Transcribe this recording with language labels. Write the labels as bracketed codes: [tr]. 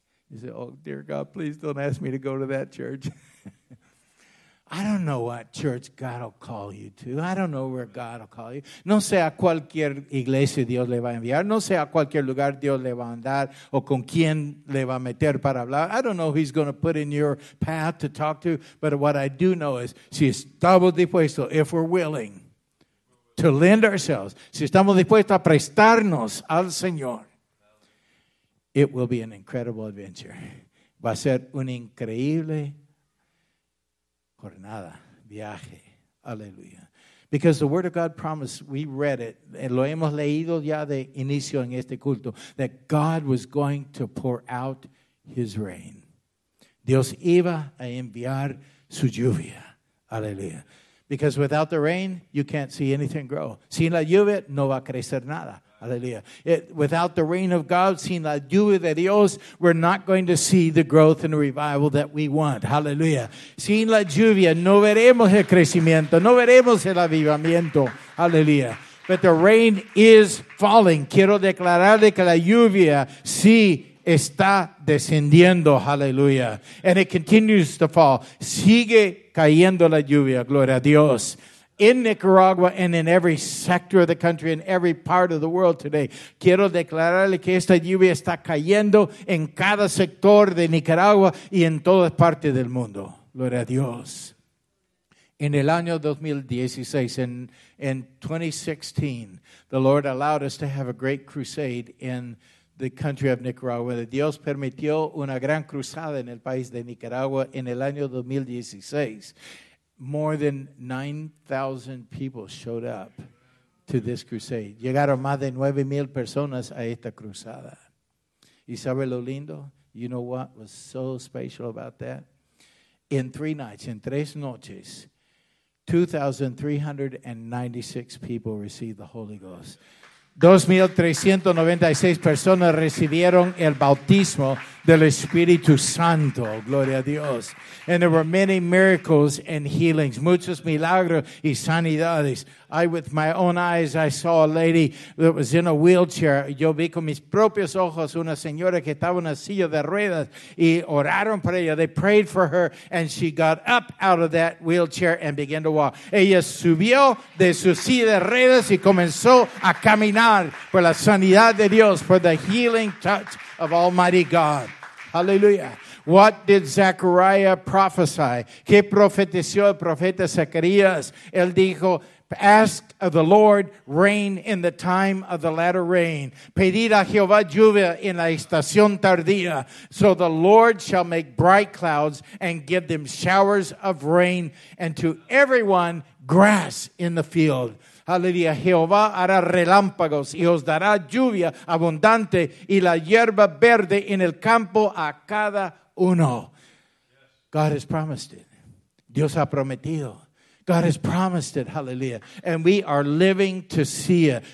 [en] You say, oh, dear God, please don't ask me to go to that church. I don't know what church God will call you to. I don't know where God will call you. [es] No sé a cualquier iglesia Dios le va a enviar. No sé a cualquier lugar Dios le va a andar o con quién le va a meter para hablar. [en] I don't know who he's going to put in your path to talk to. But what I do know is, [es] si estamos dispuestos, [en] if we're willing to lend ourselves, [es] si estamos dispuestos a prestarnos al Señor, [en] it will be an incredible adventure. [es] Va a ser un increíble jornada, viaje, aleluya. [en] Because the word of God promised, we read it, [es] lo hemos leído ya de inicio en este culto, [en] that God was going to pour out his rain. [es] Dios iba a enviar su lluvia, aleluya. [en] Because without the rain, you can't see anything grow. [es] Sin la lluvia, no va a crecer nada. [en] Hallelujah. Without the rain of God, [es] sin la lluvia de Dios, [en] we're not going to see the growth and the revival that we want. [es] Hallelujah. Sin la lluvia, no veremos el crecimiento. No veremos el avivamiento. Hallelujah. [en] But the rain is falling. [es] Quiero declararle que la lluvia sí está descendiendo. [en] Hallelujah. And it continues to fall. [es] Sigue cayendo la lluvia. Gloria a Dios. [en] In Nicaragua and in every sector of the country, in every part of the world today. [es] Quiero declararle que esta lluvia está cayendo en cada sector de Nicaragua y en todas partes del mundo. Gloria a Dios. [en] In [es] el año 2016, [en] in 2016, the Lord allowed us to have a great crusade in the country of Nicaragua. [es] Dios permitió una gran cruzada en el país de Nicaragua en el año 2016. [en] More than 9,000 people showed up to this crusade. [es] Llegaron más de 9,000 personas a esta cruzada. ¿Y sabe lo lindo? [en] You know what was so special about that? In three nights, in [es] tres noches, [en] 2,396 people received the Holy Ghost. [es] 2,396 personas recibieron el bautismo del Espíritu Santo. Gloria a Dios. [en] And there were many miracles and healings. [es] Muchos milagros y sanidades. [en] I, with my own eyes, I saw a lady that was in a wheelchair. [es] Yo vi con mis propios ojos una señora que estaba en una silla de ruedas. Y oraron por ella. [en] They prayed for her. And she got up out of that wheelchair and began to walk. [es] Ella subió de su silla de ruedas y comenzó a caminar por la sanidad de Dios, [en] for the healing touch of Almighty God. [es] Hallelujah. [en] What did Zechariah prophesy? [es] ¿Qué profetizó el profeta Zacarías? Él dijo, [en] ask of the Lord rain in the time of the latter rain. [es] Pedid a Jehová lluvia en la estación tardía. [en] So the Lord shall make bright clouds and give them showers of rain, and to everyone grass in the field. Hallelujah. [es] Jehová hará relámpagos y os dará lluvia abundante y la hierba verde en el campo a cada uno. [en] God has promised it. [es] Dios ha prometido. [en] God has promised it, hallelujah. And we are living to see it.